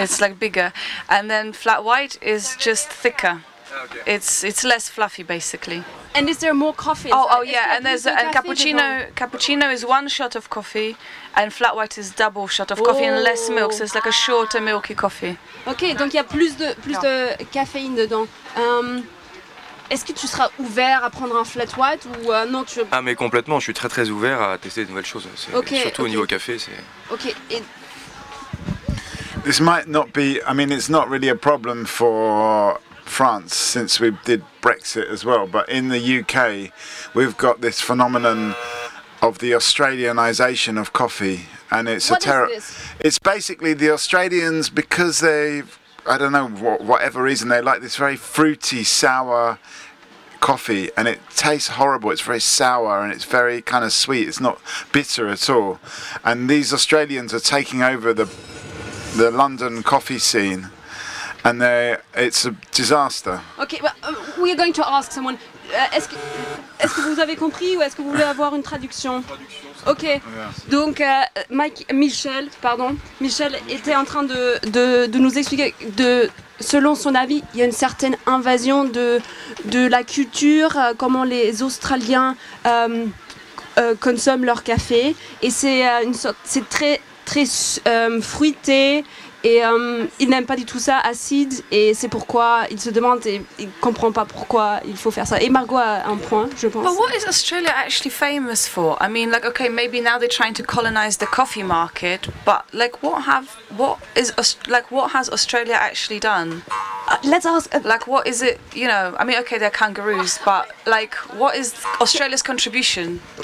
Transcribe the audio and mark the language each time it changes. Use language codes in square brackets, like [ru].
[en] It's like bigger, and then flat white is just thicker. Okay. It's less fluffy basically. And is there more coffee? Cappuccino is one shot of coffee, and flat white is double shot of coffee and less milk, so it's like a shorter milky coffee. [fr] Okay, donc il y a plus de caféine dedans. Est-ce que tu seras ouvert à prendre un flat white ou non tu... Ah mais complètement, je suis très très ouvert à tester de nouvelles choses, au niveau café, c'est... [en] Okay. This might not be, I mean it's not really a problem for France since we did Brexit as well, but in the UK we've got this phenomenon of the Australianization of coffee, and it's it's basically the Australians, because they, I don't know, whatever reason, they like this very fruity sour coffee, and it tastes horrible. It's very sour and it's very kind of sweet, it's not bitter at all, and these Australians are taking over the London coffee scene. And it's a disaster. Okay, well, we are going to ask someone. [fr] Est-ce que vous avez compris ou est-ce que vous voulez avoir une traduction? Okay. Yeah. Donc, Michel était en train de nous expliquer de, selon son avis, il y a une certaine invasion de la culture, comment les Australiens consomment leur café, et c'est très fruité. Et il n'aime pas du tout ça, acide, et c'est pourquoi il se demande et il comprend pas pourquoi il faut faire ça. Et Margot a un point, je pense. [en] But what is Australia actually famous for? I mean, like, okay, maybe now they're trying to colonize the coffee market, but like, what has Australia actually done? Let's ask. Like, what is it? You know, I mean, okay, they're kangaroos, but like, what is Australia's contribution?